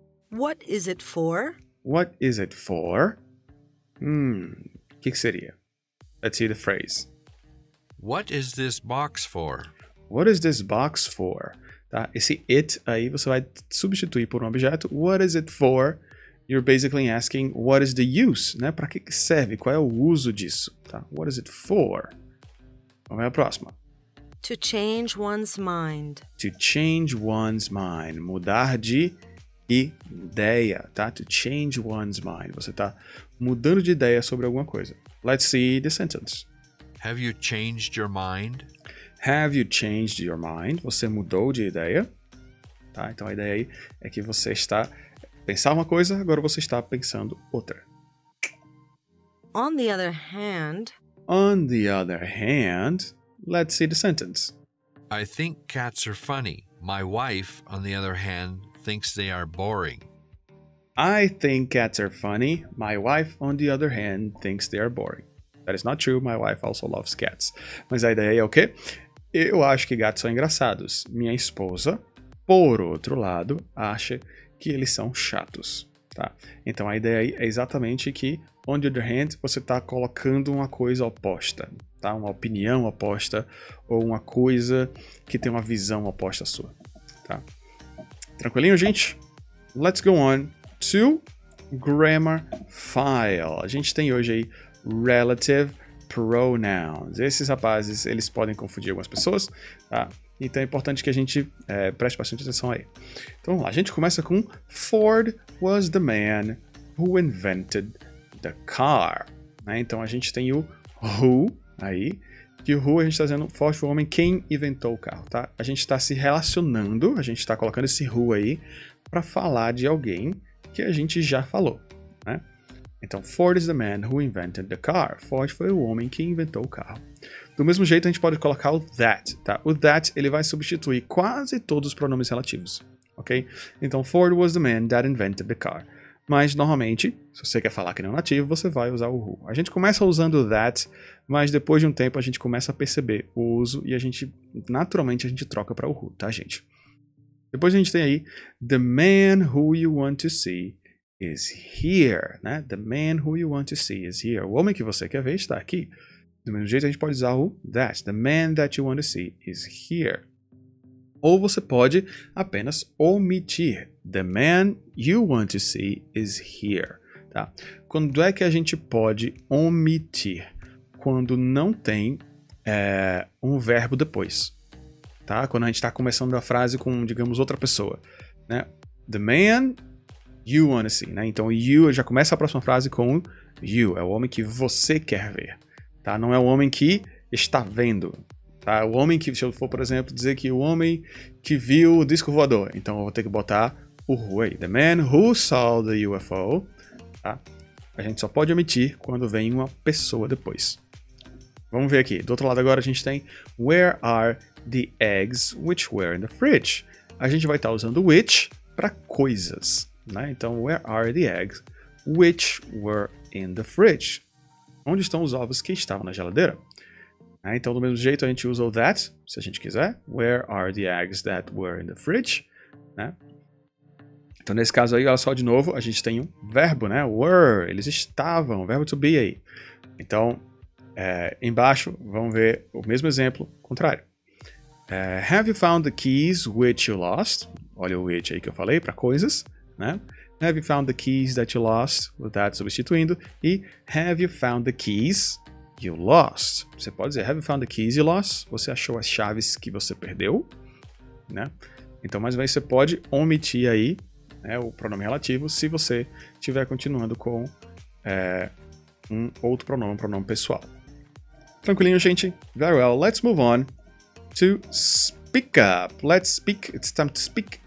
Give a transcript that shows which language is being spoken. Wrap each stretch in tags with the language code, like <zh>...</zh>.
<en>What is it for? What is it for?</en> <pt>Que seria?</pt> <en>Let's see the phrase. What is this box for? What is this box for? Tá?</en> <pt>Esse it aí você vai substituir por um objeto.</pt> <en>What is it for? You're basically asking, what is the use?</en> <pt>Né? Para que serve? Qual é o uso disso? Tá?</pt> <en>What is it for?</en> <pt>Vamos ver a próxima.</pt> <en>To change one's mind. To change one's mind.</en> <pt>Mudar de ideia, tá?</pt> <en>To change one's mind.</en> <pt>Você tá mudando de ideia sobre alguma coisa.</pt> <en>Let's see the sentence. Have you changed your mind? Have you changed your mind?</en> <pt>Você mudou de ideia, tá? Então a ideia aí é que você está pensando uma coisa, agora você está pensando outra.</pt> <en>On the other hand. On the other hand. Let's see the sentence. I think cats are funny. My wife, on the other hand, thinks they are boring. I think cats are funny. My wife, on the other hand, thinks they are boring. That is not true. My wife also loves cats.</en> <pt>Mas a ideia é o quê? Eu acho que gatos são engraçados. Minha esposa, por outro lado, acha que eles são chatos. Tá? Então a ideia aí é exatamente que, on the other hand, você está colocando uma coisa oposta. Tá? Uma opinião oposta ou uma coisa que tem uma visão oposta à sua. Tá? Tranquilinho, gente?</pt> <en>Let's go on to grammar file.</en> <pt>A gente tem hoje aí relative,</pt> <en>pronouns.</en> <pt>Esses rapazes, eles podem confundir algumas pessoas, tá? Então é importante que a gente preste bastante atenção aí. Então vamos lá, a gente começa com</pt> <en>Ford was the man who invented the car.</en> <pt>Né? Então a gente tem o who aí, que o who a gente está dizendo, Ford foi o homem quem inventou o carro, tá? A gente está se relacionando, a gente está colocando esse who aí para falar de alguém que a gente já falou, né?</pt> <en>Então, Ford is the man who invented the car.</en> <pt>Ford foi o homem que inventou o carro. Do mesmo jeito, a gente pode colocar o that, tá? O that, ele vai substituir quase todos os pronomes relativos, ok?</pt> <en>Então, Ford was the man that invented the car.</en> <pt>Mas, normalmente, se você quer falar que não é nativo, você vai usar o who. A gente começa usando o that, mas depois de um tempo, a gente começa a perceber o uso e a gente, naturalmente, a gente troca para o who, tá, gente? Depois a gente tem aí,</pt> <en>the man who you want to see is here, né? The man who you want to see is here.</en> <pt>O homem que você quer ver está aqui. Do mesmo jeito, a gente pode usar o that.</pt> <en>The man that you want to see is here.</en> <pt>Ou você pode apenas omitir.</pt> <en>The man you want to see is here.</en> <pt>Tá? Quando é que a gente pode omitir? Quando não tem um verbo depois. Tá? Quando a gente está começando a frase com, digamos, outra pessoa. Né?</pt> <en>The man you want to see, né?</en> <pt>Então, you já começa a próxima frase com you. É o homem que você quer ver, tá? Não é o homem que está vendo, tá? O homem que, se eu for, por exemplo, dizer que o homem que viu o disco voador. Então, eu vou ter que botar o who aí.</pt> <en>The man who saw the UFO, tá?</en> <pt>A gente só pode omitir quando vem uma pessoa depois. Vamos ver aqui. Do outro lado agora, a gente tem</pt> <en>where are the eggs which were in the fridge?</en> <pt>A gente vai estar usando which para coisas. Né?</pt> <en>Então, where are the eggs which were in the fridge?</en> <pt>Onde estão os ovos que estavam na geladeira? Né? Então, do mesmo jeito, a gente usa o that, se a gente quiser.</pt> <en>Where are the eggs that were in the fridge?</en> <pt>Né? Então, nesse caso aí, olha só de novo, a gente tem um verbo, né? Were, eles estavam, verbo to be aí. Então, embaixo, vamos ver o mesmo exemplo, contrário.</pt> <en>Have you found the keys which you lost?</en> <pt>Olha o which aí que eu falei para coisas. Né?</pt> <en>Have you found the keys that you lost? With that substituindo. E have you found the keys you lost?</en> <pt>Você pode dizer,</pt> <en>have you found the keys you lost?</en> <pt>Você achou as chaves que você perdeu? Né? Então, mais uma vez, você pode omitir aí, né, o pronome relativo se você estiver continuando com um outro pronome, um pronome pessoal. Tranquilinho, gente?</pt> <en>Very well. Let's move on to speak up. Let's speak. It's time to speak.</en>